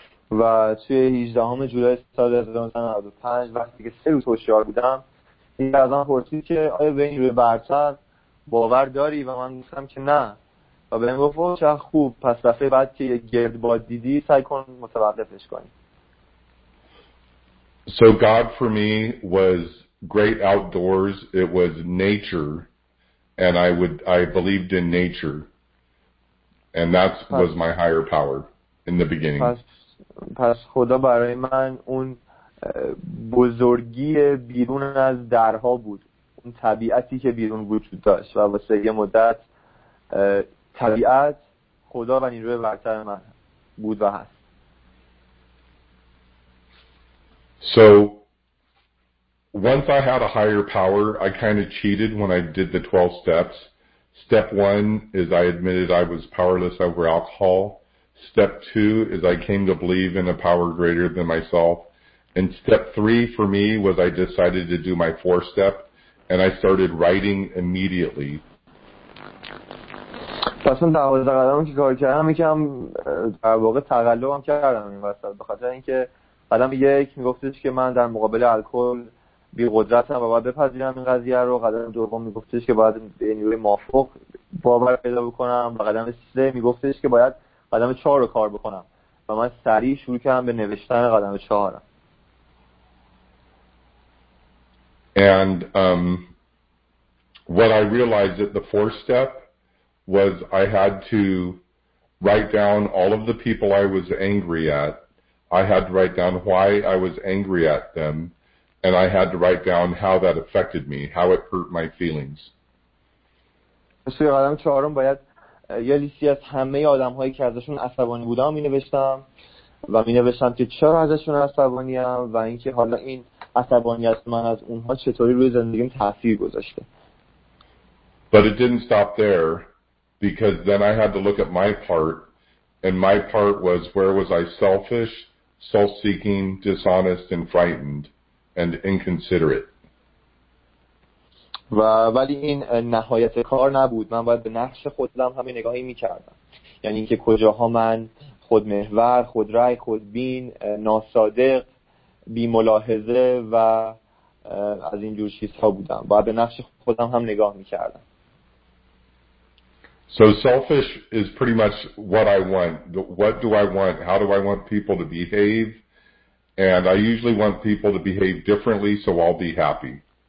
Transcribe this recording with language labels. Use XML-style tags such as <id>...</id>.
<fa>و توی 18 جولای سال 1995 وقتی که 3 روز هوشیار بودم، این از من پرسید که آیا به این روی برتر باور داری؟ و من گفتم که نه. و به من گفت چه خوب، پس دفعه بعد که یک گردباد دیدی سعی کن متوقفش کنی.</fa> <en>So God for me was great outdoors, it was nature, and I believed in nature, and that was my higher power in the beginning.</en> <fa>پس خدا برای من اون بزرگی بیرون از درها بود، اون طبیعتی که بیرون وجود داشت، و واسه یه مدت طبیعت خدا و نیروی برتر من بود و هست.</fa> <en>So once I had a higher power, I kind of cheated when I did the 12 steps. Step 1 is I admitted I was powerless over alcohol. Step 2 is I came to believe in a power greater than myself. And step 3 for me was I decided to do my 4-step and I started writing immediately.</en> <fa>پس من دوازده قدمی که کار کردم، یکم در واقع تقلبم کردم این وسط، به خاطر اینکه قدم 1 میگفتش که من در مقابل الکل بی قدرتم و باید بپذیرم این قضیه رو، قدم 2 میگفتش که باید به نیروی مافوق باور پیدا بکنم، و قدم 3 میگفتش که باید قدم 4 رو کار بکنم، و من سریع شروع کردم به نوشتن قدم 4.</fa> <en>And what I realized at the 4th step was I had to write down all of the people I was angry at. I had to write down why I was angry at them, and I had to write down how that affected me, how it hurt my feelings.</en> <fa>سوی قدم 4 باید یه لیستی از همه آدم هایی که ازشون عصبانی بودم می نوشتم، و می نوشتم که چرا ازشون عصبانی ام، و اینکه حالا این عصبانیت من از اونها چطوری روی زندگیم تاثیر گذاشته.</fa> <en>But it didn't stop there, because then I had to look at my part, and my part was where was I selfish, self-seeking, dishonest, and frightened, and inconsiderate.</en> <fa>و ولی این نهایت کار نبود، من باید به نقش خودم همه نگاهی میکردم، یعنی اینکه کجاها من خودمحور، خودرأی، خودبین، ناصادق، بی‌ملاحظه و از این جور چیزها بودم، باید به نقش خودم هم نگاه میکردم.</fa> <en>So selfish is pretty much what I want. What do I want? How do I want people to behave? And I usually want people to behave differently so I'll be happy.</en>